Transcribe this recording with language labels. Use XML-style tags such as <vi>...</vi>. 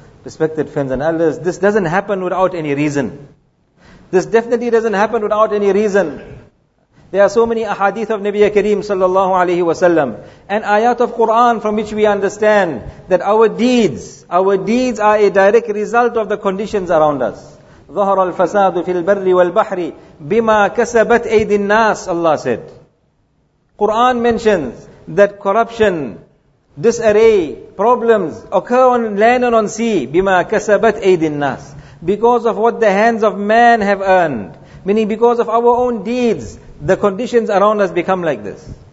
<en>Respected friends and elders, this doesn't happen without any reason. This definitely doesn't happen without any reason. There are so many ahadith of Nabiya Kareem sallallahu alayhi wa sallam and ayat of Quran from which we understand that our deeds are a direct result of the conditions around us.</en> <ar>ظَهَرَ الْفَسَادُ فِي الْبَرِّ وَالْبَحْرِ بِمَا كَسَبَتْ أَيْدِ النَّاسِ,</ar> <en>Allah said. Quran mentions that corruption, disarray, problems occur on land and on sea.</en> <ar>بِمَا كَسَبَتْ أَيْدِ النَّاسِ,</ar> <en>because of what the hands of man have earned. Meaning because of our own deeds, the conditions around us become like this.</en>